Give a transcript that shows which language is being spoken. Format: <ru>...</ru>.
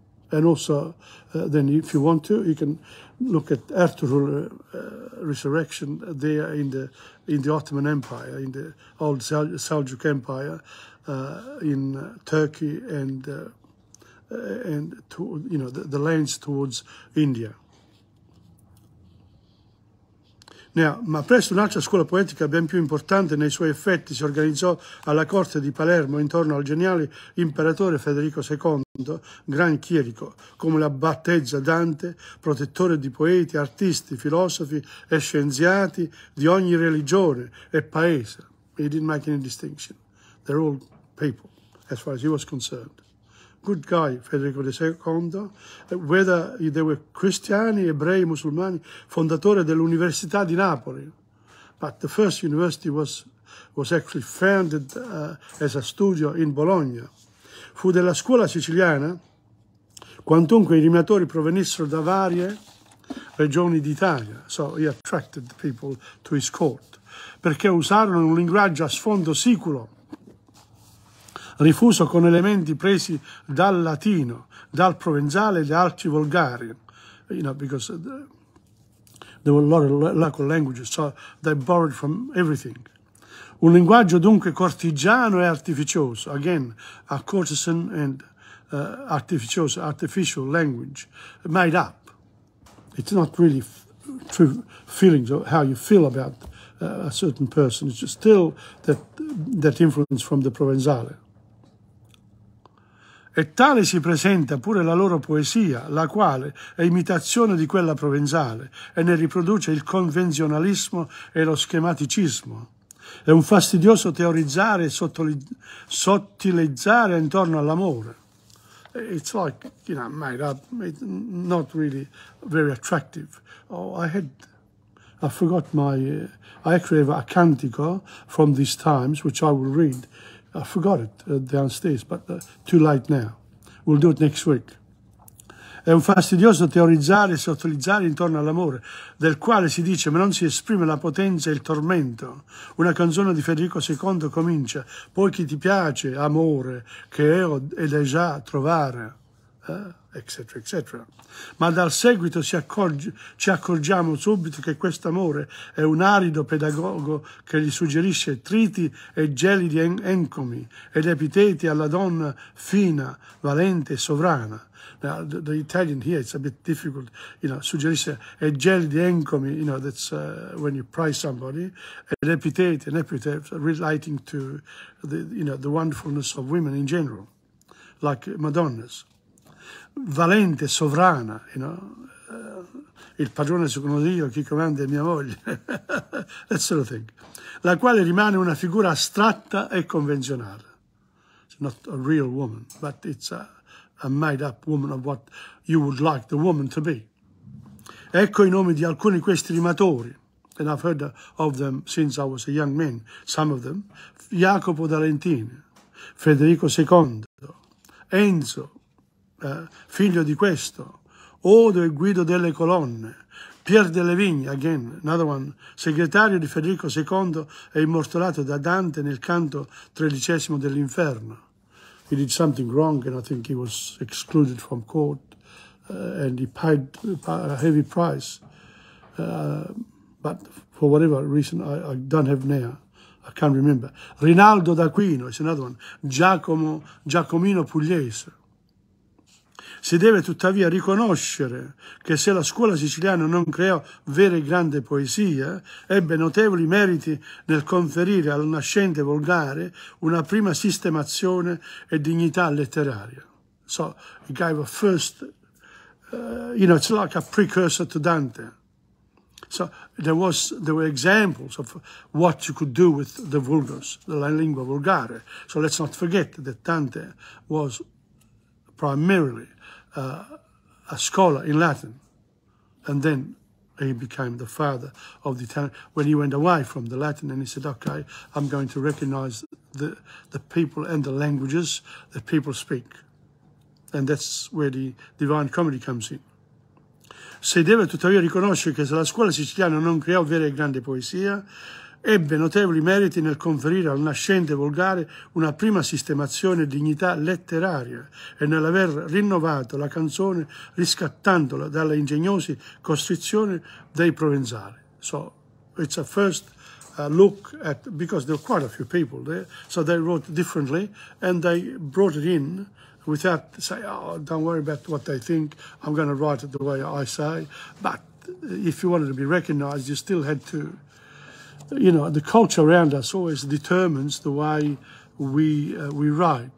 <en>And also, then if you want to, you can look at Ertugrul resurrection there in the Ottoman Empire, in the old Seljuk Empire, in Turkey and to, you know, the lands towards India.</en> <it>Now, ma presto un'altra scuola poetica ben più importante nei suoi effetti si organizzò alla corte di Palermo intorno al geniale imperatore Federico II, gran chierico, come la battezza Dante, protettore di poeti, artisti, filosofi e scienziati di ogni religione e paese.</it> <en>He didn't make any distinction. They're all people, as far as he was concerned. Good guy, Federico II, whether they were</en> <it>Cristiani, Ebrei, Musulmani, fondatore dell'Università di Napoli.</it> <en>But the first university was actually founded as a studio in Bologna.</en> <it>Fu della scuola siciliana, quantunque I rimatori provenissero da varie regioni d'Italia.</it> <en>So he attracted people to his court,</en> <it>perché usarono un linguaggio a sfondo siculo, rifuso con elementi presi dal latino, dal provenzale e da altri volgari.</it> <en>You know, because there were a lot of local languages, so they borrowed from everything.</en> <it>Un linguaggio dunque cortigiano e artificioso.</it> <en>Again, a courtesan and artificial language, made up. It's not really true feelings of how you feel about a certain person. It's just still that influence from the provenzale.</en> <it>E tale si presenta pure la loro poesia, la quale è imitazione di quella provenzale e ne riproduce il convenzionalismo e lo schematicismo. È un fastidioso teorizzare e sottilizzare intorno all'amore.</it> <en>It's like, you know, made up, not really very attractive. Oh, I actually have a cantico from these times, which I will read. I forgot it downstairs, but too late now. We'll do it next week.</en> <it>È un fastidioso teorizzare e sottilizzare intorno all'amore, del quale si dice, ma non si esprime la potenza e il tormento. Una canzone di Federico II comincia, poi chi ti piace, amore, che io è già trovare, eccetera, eccetera. Ma dal seguito ci accorgiamo subito che questo amore è un arido pedagogo che gli suggerisce triti e gelidi encomi ed epiteti alla donna fina, valente e sovrana.</it> <en>Now, the Italian here, it's a bit difficult, you know,</en> <it>suggerisce e gelidi encomi,</it> <en>you know, that's when you praise somebody,</en> <it>ed epiteti,</it> <en>an epithet relating to, the, you know, the wonderfulness of women in general, like Madonnas.</en> <it>Valente, sovrana,</it> <en>you know,</en> <it>il padrone secondo Dio, chi comanda è mia moglie,</it> <en>that sort of thing,</en> <it>la quale rimane una figura astratta e convenzionale.</it> <en>It's not a real woman, but it's a made up woman of what you would like the woman to be.</en> <it>Ecco I nomi di alcuni di questi rimatori,</it> <en>and I've heard of them</en> <it>since I was a young man, some of them, Jacopo d'Alentini, Federico II, Enzo, figlio di questo, Odo e Guido delle Colonne, Pier delle Vigne,</it> <en>again, another one,</en> <it>segretario di Federico II e immortalato da Dante nel canto tredicesimo dell'Inferno.</it> <en>He did something wrong and I think he was excluded from court and he paid a heavy price. But for whatever reason, I don't have now. I can't remember. Rinaldo d'Aquino is another one. Giacomino Pugliese.</en> <it>Si deve tuttavia riconoscere che se la scuola siciliana non creò vera e grande poesia, ebbe notevoli meriti nel conferire al nascente volgare una prima sistemazione e dignità letteraria.</it> <en>So, he gave a first, you know, it's like a precursor to Dante. So, there were examples of what you could do with the vulgus,</en> <it>la lingua volgare.</it> <en>So, let's not forget that Dante was primarily a scholar in Latin. And then he became the father of the Italian. When he went away from the Latin, and he said, okay, I'm going to recognize the people and the languages that people speak. And that's where the Divine Comedy comes in.</en> <it>Se deve tuttavia riconoscere che se la scuola siciliana non creò vera e grande poesia, ebbe notevoli meriti nel conferire al nascente volgare una prima sistemazione e dignità letteraria e nell'aver rinnovato la canzone riscattandola dalle ingegnose costrizioni dei provenzali.</it> <en>So it's a first look at, because there are quite a few people there, so they wrote differently and they brought it in without saying, oh, don't worry about what they think, I'm going to write it the way I say. But if you wanted to be recognized, you still had to, you know, the culture around us always determines the way we write.</en>